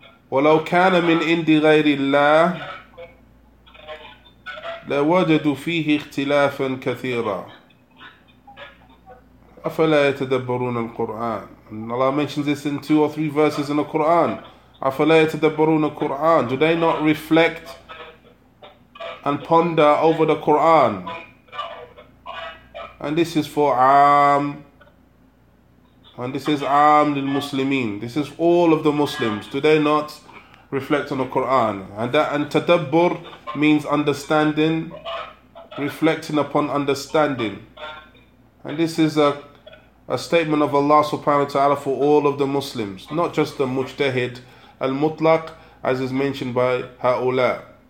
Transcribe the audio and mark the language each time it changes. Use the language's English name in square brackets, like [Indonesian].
[Arabic] ولو كان من عند غير الله لوجدوا فيه اختلافا كثيرا أفلا يتدبرون القرآن. [English] Allah mentions this in two or three verses in the Quran. [Arabic] أفلا يتدبرون القرآن. [English] Do they not reflect and ponder over the Quran? And this is for عام. And this is عام للمسلمين. This is all of the Muslims. Do they not reflect on the Quran? And that, and تدبر means understanding, reflecting upon understanding. And this is a statement of Allah subhanahu wa ta'ala for all of the Muslims, not just the mujtahid al-mutlaq, as is mentioned by ha'ula.